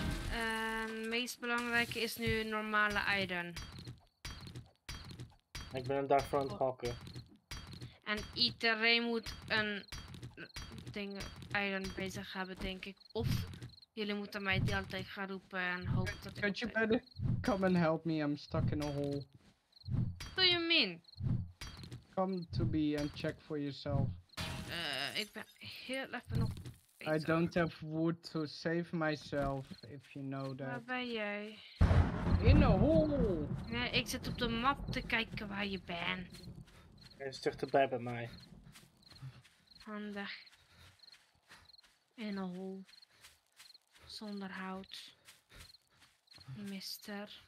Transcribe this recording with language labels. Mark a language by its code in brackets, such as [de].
[nl] En het meest belangrijke is nu normale iron. Ik ben daarvoor aan het hakken. En iedereen moet een ding iron bezig hebben, denk ik. Of jullie moeten mij die altijd gaan roepen en hopen dat ik... [en] Could you better come and help me, I'm stuck in a hole. What do you mean? Come to me and check for yourself. [nl] Ik ben heel even nog... [en] I don't have wood to save myself, if you know that. [nl] Waar ben jij? [en] In a hole! [nl] Nee, ik zit op de map te kijken waar je bent. Hij is dichterbij bij mij. Handig. [en] In a hole. [nl] Zonder hout. [en] Mister.